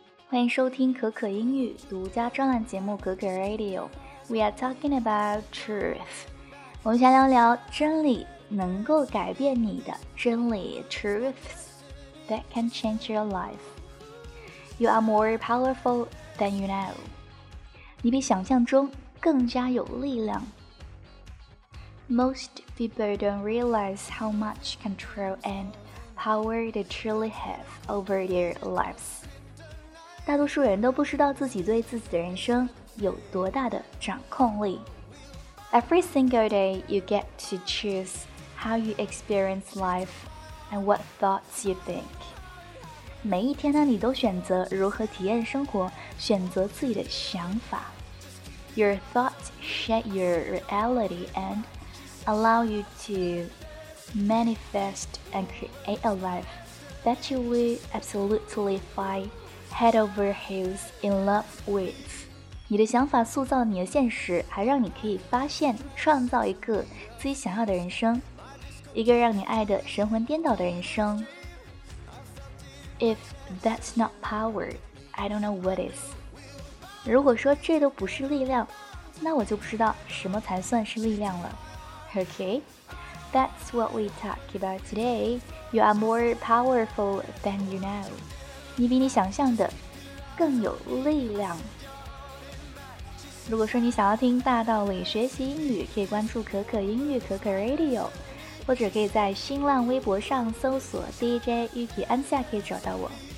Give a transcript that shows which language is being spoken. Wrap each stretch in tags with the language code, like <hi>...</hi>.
<zh>欢迎收听可可英语独家专栏节目可可 Radio。</zh> <en>We are talking about truth。</en> <zh>我们先聊聊真理能够改变你的真理</zh> <en>truths that can change your life。 You are more powerful than you know。</en> <zh>你比想象中更加有力量。</zh> <en>Most people don't realize how much control and power they truly have over their lives.</en> <zh>大多数人都不知道自己对自己的人生有多大的掌控力。</zh> <en>Every single day, you get to choose how you experience life and what thoughts you think.</en> <zh>每一天呢，你都选择如何体验生活，选择自己的想法。</zh> <en>Your thoughts shape your reality andallow you to manifest and create a life that you will absolutely fall head over heels in love with.</en> <zh>你的想法塑造你的现实，还让你可以发现创造一个自己想要的人生，一个让你爱的神魂颠倒的人生。</zh> <en>If that's not power, I don't know what is.</en> <zh>如果说这都不是力量，那我就不知道什么才算是力量了。</zh> <en>Okay, that's what we talk about today. You are more powerful than you know.</en> <zh>你比你想象的更有力量。如果说你想要听大道理学习英语，可以关注可可英语可可 Radio， 或者可以在新浪微博上搜索 DJ 玉体安夏，可以找到我。</zh>